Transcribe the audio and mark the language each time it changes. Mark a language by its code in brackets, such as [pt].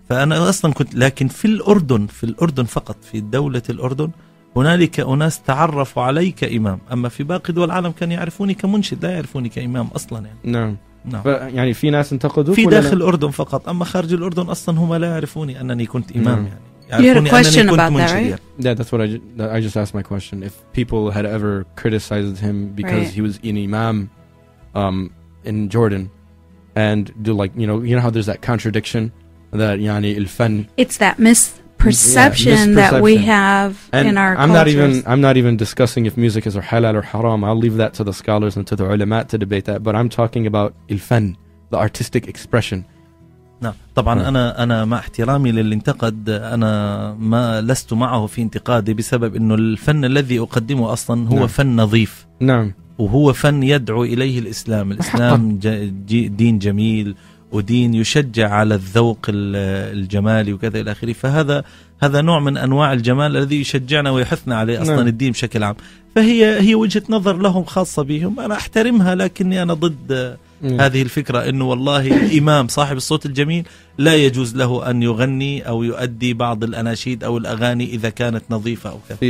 [ar] فأنا أصلا كنت لكن في الأردن في الأردن فقط في دولة الأردن هنالك أناس تعرفوا علي كإمام أما في باقي دول العالم كانوا يعرفوني كمنشد لا يعرفوني كإمام أصلا يعني نعم يعني في ناس انتقدوك في داخل الأردن فقط أما خارج الأردن أصلا هم لا يعرفوني أنني كنت إمام يعني [en] You had a question about that, right? Yeah, that's what I just asked my question. If people had ever criticized him because he was an imam in Jordan and do like, you know how there's that contradiction that [ar] yani il fan. [en] It's that misperception that we have and in our culture. I'm not even discussing if music is halal or haram. I'll leave that to the scholars and to the ulama to debate that. But I'm talking about il fan, the artistic expression. [ar] طبعا أنا مع احترامي للي انتقد أنا ما لست معه في انتقادي بسبب أنه الفن الذي أقدمه أصلا هو فن نظيف وهو فن يدعو إليه الإسلام الإسلام دين جميل ودين يشجع على الذوق الجمالي وكذا إلى آخره فهذا نوع من أنواع الجمال الذي يشجعنا ويحثنا عليه أصلا الدين بشكل عام فهي وجهة نظر لهم خاصة بهم أنا أحترمها لكني أنا ضد هذه الفكرة إنه والله الإمام صاحب الصوت الجميل لا يجوز له أن يغني أو يؤدي بعض الأناشيد أو الأغاني إذا كانت نظيفة أو كذا.